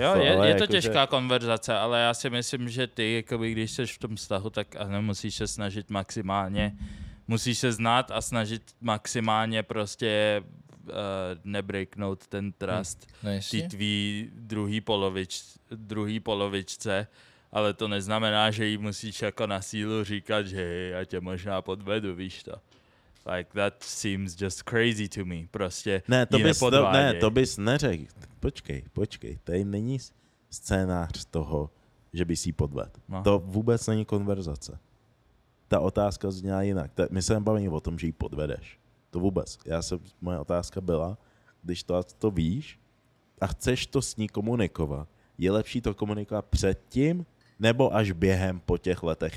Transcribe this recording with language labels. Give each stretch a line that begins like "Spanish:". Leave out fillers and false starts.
Czech: jo, je to těžká konverzace, ale já si myslím, že ty, jakoby, když jsi v tom vztahu, tak ano, musíš se snažit maximálně, musíš se znát a snažit maximálně prostě nebreaknout ten trust ty tvý druhý polovičce, ale to neznamená, že jí musíš jako na sílu říkat, že já tě možná podvedu, víš to.
English: Like that seems just crazy to me, prostě
Czech: ne, to bys, ne, to bys neřekl, počkej, tady není scénář toho, že bys jí podvedl. No. To vůbec není konverzace. Ta otázka zněla jinak. My se nebavíme o tom, že jí podvedeš. To vůbec. Moje otázka byla, když to víš a chceš to s ní komunikovat, je lepší to komunikovat předtím nebo až během po těch letech.